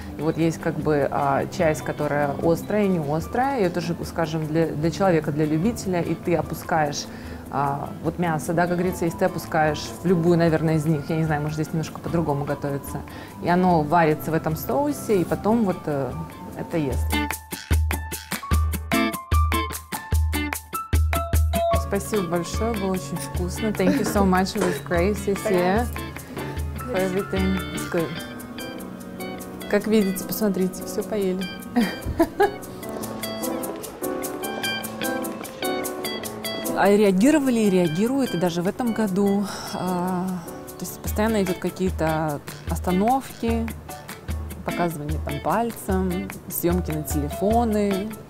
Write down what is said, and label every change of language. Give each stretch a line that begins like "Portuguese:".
Russian: И вот есть как бы часть, которая острая и не острая, и это же, скажем, для человека, для любителя, и ты опускаешь вот мясо, да, как говорится, если ты опускаешь в любую, наверное, из них, я не знаю, может, здесь немножко по-другому готовится, и оно варится в этом соусе, и потом вот это ест. Спасибо большое, было очень вкусно.
English: Thank you so much, it was great, Cecilia, for everything. It's good.
Russian: Как видите, посмотрите, все поели. А реагировали и реагируют, и даже в этом году. То есть постоянно идут какие-то остановки, показывание там пальцем, съемки на телефоны.